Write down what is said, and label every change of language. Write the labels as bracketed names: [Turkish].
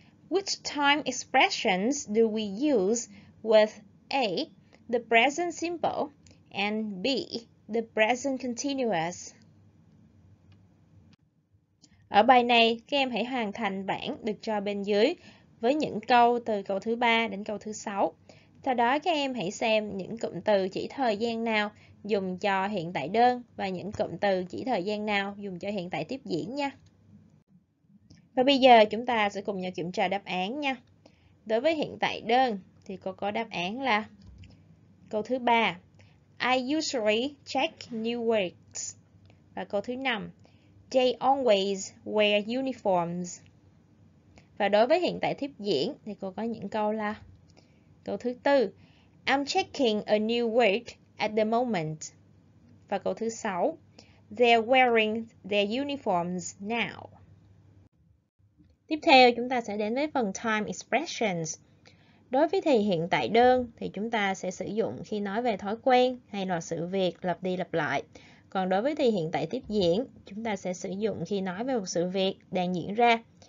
[English] Which time expressions do we use with A, the present simple, and B, the present continuous? [Vietnamese] Ở bài này, các em hãy hoàn thành bảng được cho bên dưới với những câu từ câu thứ 3 đến câu thứ 6. Sau đó, các em hãy xem những cụm từ chỉ thời gian nào dùng cho hiện tại đơn và những cụm từ chỉ thời gian nào dùng cho hiện tại tiếp diễn nha. Và bây giờ chúng ta sẽ cùng nhau kiểm tra đáp án nha. Đối với hiện tại đơn thì cô có đáp án là câu thứ 3, [English] I usually check new works. [Vietnamese] Và câu thứ 5, [English] they always wear uniforms. [Vietnamese] Và đối với hiện tại tiếp diễn thì cô có những câu là câu thứ 4, [English] I'm checking a new work at the moment. [Vietnamese] Và câu thứ 6, [English] they're wearing their uniforms now. [Vietnamese] Tiếp theo chúng ta sẽ đến với phần time expressions. Đối với thì hiện tại đơn thì chúng ta sẽ sử dụng khi nói về thói quen hay là sự việc lặp đi lặp lại. Còn đối với thì hiện tại tiếp diễn, chúng ta sẽ sử dụng khi nói về một sự việc đang diễn ra.